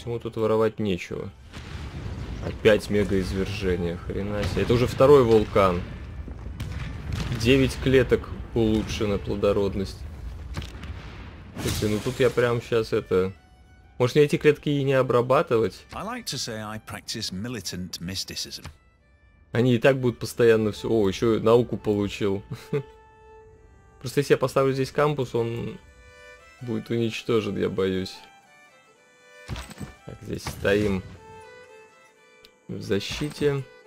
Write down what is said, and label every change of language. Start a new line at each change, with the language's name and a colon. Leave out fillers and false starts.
Russian: Ему тут воровать нечего. Опять мегаизвержение, хрена себе. Это уже второй вулкан. 9 клеток улучшена плодородность. Слушайте, ну тут я прям сейчас это... Может, мне эти клетки и не обрабатывать?
English: I like to say I practice militant mysticism.
Russian: Они и так будут постоянно все... О, еще науку получил. Просто если я поставлю здесь кампус, он будет уничтожен, я боюсь. Так, здесь стоим в защите.